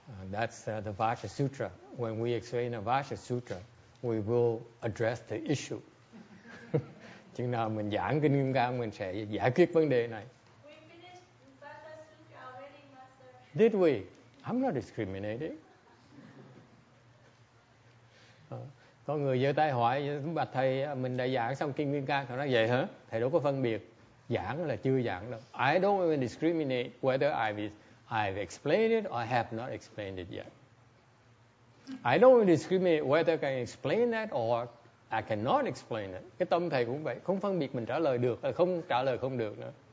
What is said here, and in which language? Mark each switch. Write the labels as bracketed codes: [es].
[en] That's the Vasa Sutra. When we explain the Vasa Sutra, we will address the issue. [vi] Chừng nào mình giảng kinh Kim Cang, mình sẽ giải quyết vấn đề này. [en] We finished Vasa Sutra already, Master. Did we? I'm not discriminating. [vi] Có người giơ tay hỏi, bạch thầy, mình đã giảng xong kinh Kim Cang, thầy nói vậy hả? Thầy đâu có phân biệt, giảng là chưa giảng đâu. [en] I don't even discriminate whether I've explained it or I have not explained it yet. I don't even discriminate whether I can explain that or I cannot explain it. [vi] Cái tâm thầy cũng vậy, không phân biệt mình trả lời được hay không trả lời không được nữa.